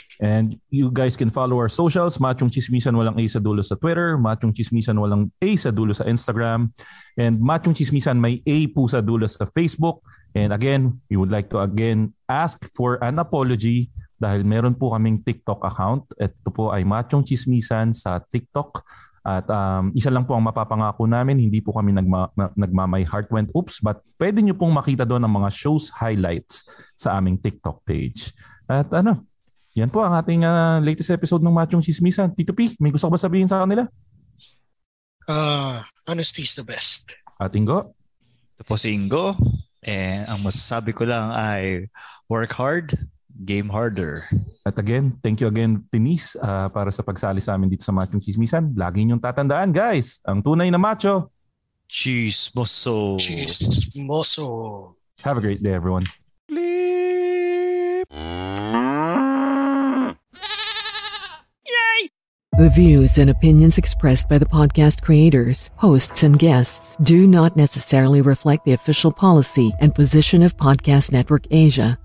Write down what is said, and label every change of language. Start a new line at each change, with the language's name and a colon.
English: And you guys can follow our socials,
Filipino: Machong Chismisan walang A sa dulo sa Twitter, Machong Chismisan walang A sa dulo sa Instagram, and Machong Chismisan may A po sa dulo sa Facebook.
English: And again, we would like to again ask for an apology
Filipino: dahil meron po kaming
English: TikTok account.
Filipino: Ito po ay Machong Chismisan sa TikTok. At isa lang po ang mapapangako namin, hindi po kami nagmamay
English: heart went oops,
Filipino: but pwede nyo pong makita doon ang mga
English: shows highlights
Filipino: sa aming TikTok page. At ano, yan po ang ating latest episode ng Machong Chismisan. Tito P, may gusto ko ba sabihin sa kanila?
English: Honesty is the best.
Filipino: At Ingo? Ito po si Ingo. Eh, ang masasabi ko lang ay
English: work hard, game harder.
Filipino: At
English: again, thank you again,
Filipino: Denise, para sa pagsali sa amin dito sa Machong Chismisan. Lagi niyong tatandaan, guys, ang tunay na macho. Chismoso. Chismoso.
English: Have a great day, everyone. Bleep. The views and opinions expressed by the podcast creators, hosts, and guests do not necessarily reflect the official policy and position of Podcast Network Asia.